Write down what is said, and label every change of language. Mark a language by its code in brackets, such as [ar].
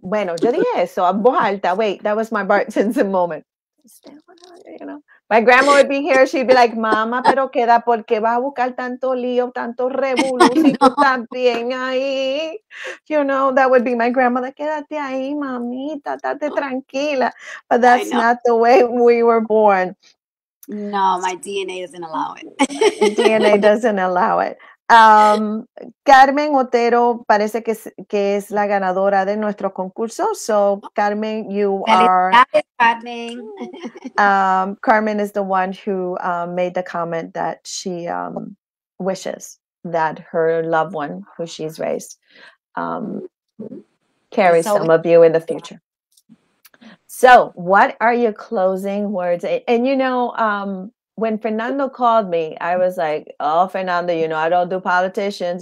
[es] Bueno, yo dije eso en voz alta. [en] Wait, that was my Bart Simpson moment. My grandma would be here. She'd be like, [es] mama, pero queda porque vas a buscar tanto lío, tanto revolucionario también ahí. [en] You know, that would be my grandmother. [es] Quédate ahí, mamita, date tranquila. [en] But that's not the way we were born. No, my DNA doesn't allow it. DNA doesn't allow it. [es] Carmen Otero parece que es la ganadora de nuestro concurso. [en] So, Carmen, you are... Carmen. Carmen is the one who made the comment that she wishes that her loved one, who she's raised, carries some of you in the future. So, what are your closing words? And you know, when Fernando called me, I was like, oh, Fernando, you know, I don't do politicians.